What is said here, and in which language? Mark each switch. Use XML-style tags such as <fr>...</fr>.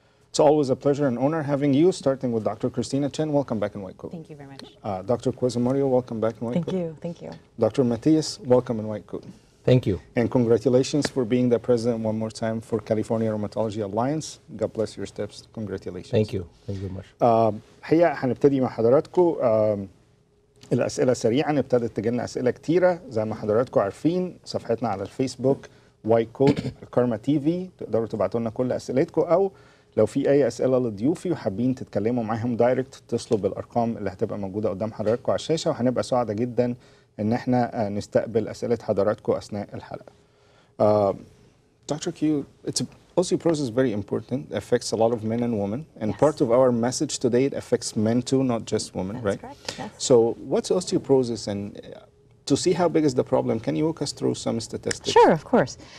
<en>It's always a pleasure and honor having you, starting with Dr. Christina Chen. Welcome back in White Coat. Thank you very much. Dr. Quismorio, welcome back in White Coat. Thank you. Dr. Metyas, welcome in White Coat. Thank you. And congratulations for being the president one more time for California Rheumatology Alliance. God bless your steps. Congratulations. Thank you. Thank you very much.</en> <ar>حقيقة هنبتدي مع حضراتكم. الأسئلة سريعا ابتدت تجينا أسئلة كتيرة. زي ما حضراتكم عارفين صفحتنا على الفيسبوك White Coat Karma TV. تقدروا تبعتوا لنا كل أسئلتكم أو لو في اي اسئله لضيوفي وحابين تتكلموا معاهم دايركت اتصلوا بالارقام اللي هتبقى موجوده قدام حضراتكم على الشاشه، وهنبقى سعداء جدا ان احنا نستقبل اسئله حضراتكم اثناء الحلقه.</ar> <en>Dr. Q, it's osteoporosis very important, affects a lot of men and women, and yes. Part of our message today, it affects men too, not just women. That's right, correct. Yes. So what's osteoporosis, and to see how big is the problem, can you walk us through some statistics? Sure, of course.</en>